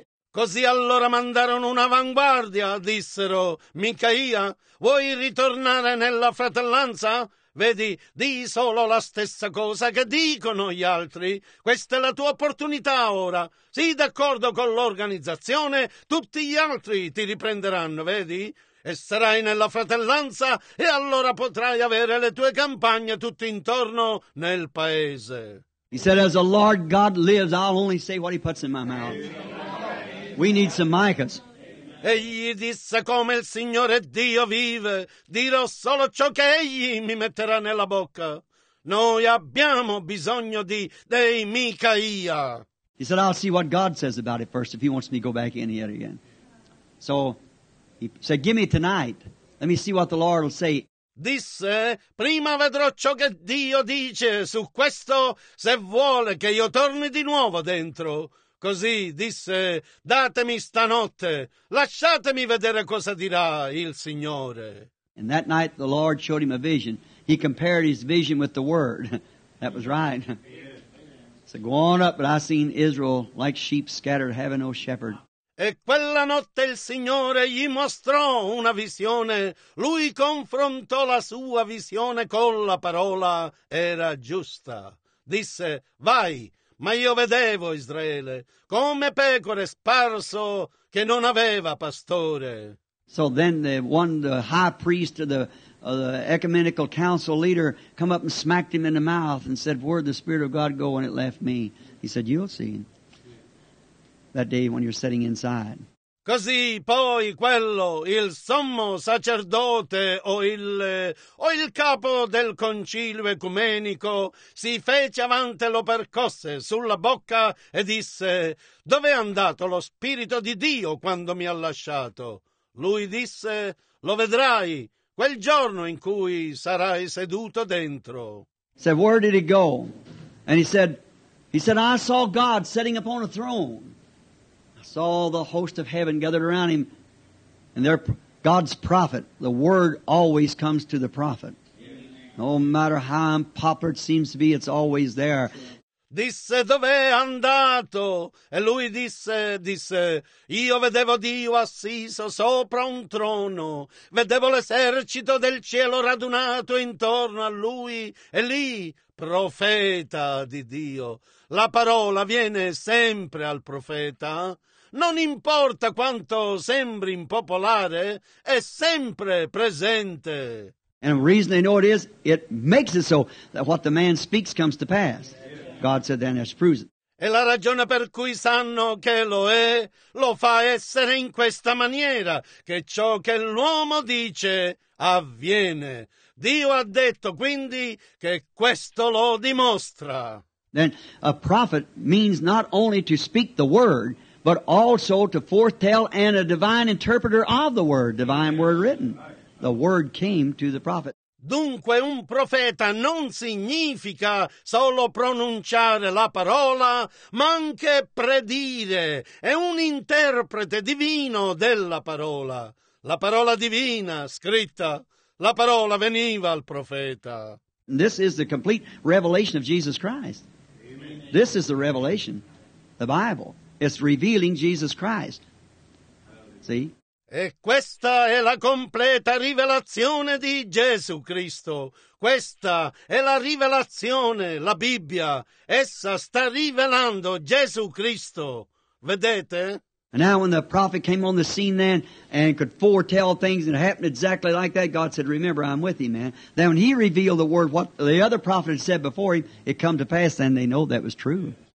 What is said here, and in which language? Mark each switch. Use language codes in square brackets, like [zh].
[it] Così allora mandarono un'avanguardia, dissero, Micaia, vuoi ritornare nella fratellanza? Vedi, di solo la stessa cosa che dicono gli altri. Questa è la tua opportunità ora. Sii d'accordo con l'organizzazione, tutti gli altri ti riprenderanno, vedi? E sarai nella fratellanza e allora potrai avere le tue campagne tutto intorno nel paese. [en] He said, as the Lord God lives, I'll only say what he puts in my mouth. We need some Micahs. [it] Egli disse, come il Signore Dio vive, dirò solo ciò che egli mi metterà nella bocca. Noi abbiamo bisogno di dei Micaia. [en] He said, I'll see what God says about it first, if he wants me to go back in here again. So, he said, give me tonight, let me see what the Lord will say. [it] Disse, prima vedrò ciò che Dio dice su questo, se vuole che io torni di nuovo dentro. Così disse, datemi stanotte, lasciatemi vedere cosa dirà il Signore. [en] And that night the Lord showed him a vision. He compared his vision with the Word. That was right. So go on up, but I seen Israel like sheep scattered, having no shepherd. [it] E quella notte il Signore gli mostrò una visione. Lui confrontò la sua visione con la parola. Era giusta. Disse, vai. Ma io vedevo Israele come pecore sparso che non aveva pastore. [en] So then the high priest of the ecumenical council leader come up and smacked him in the mouth and said, where'd the Spirit of God go when it left me? He said, you'll see that day when you're sitting inside. [it] Così poi quello, il sommo sacerdote o il capo del concilio ecumenico, si fece avanti e lo percosse sulla bocca e disse, dov'è andato lo Spirito di Dio quando mi ha lasciato? lui disse, lo vedrai quel giorno in cui sarai seduto dentro. [en] He said, where did he go? And he said, I saw God sitting upon a throne. I saw the host of heaven gathered around him. And they're God's prophet. The word always comes to the prophet. No matter how unpopular it seems to be, it's always there. [it] Disse, dov'è andato? E lui disse, io vedevo Dio assiso sopra un trono. Vedevo l'esercito del cielo radunato intorno a lui. E lì, profeta di Dio. La parola viene sempre al profeta. Non importa quanto sembri impopolare, è sempre presente. [en] And the reason they know it is, it makes it so that what the man speaks comes to pass. God said, then that proves it. [it] E la ragione per cui sanno che lo è, lo fa essere in questa maniera, che ciò che l'uomo dice avviene. Dio ha detto quindi che questo lo dimostra. [en] Then a prophet means not only to speak the word, but also to foretell and a divine interpreter of the word, divine word written. The word came to the prophet. [it] Dunque un profeta non significa solo pronunciare la parola, ma anche predire. È un interprete divino della parola. La parola divina, scritta, la parola veniva al profeta. [en] This is the complete revelation of Jesus Christ. Amen. This is the revelation, the Bible. It's revealing Jesus Christ. See? [it] E questa è la completa rivelazione di Gesù Cristo. Questa è la rivelazione, la Bibbia. Essa sta rivelando Gesù Cristo. Vedete? [en] And now when the prophet came on the scene then and could foretell things and it happened exactly like that, God said, remember, I'm with you, man. Then when he revealed the word, what the other prophet had said before him, it come to pass, then they know that was true.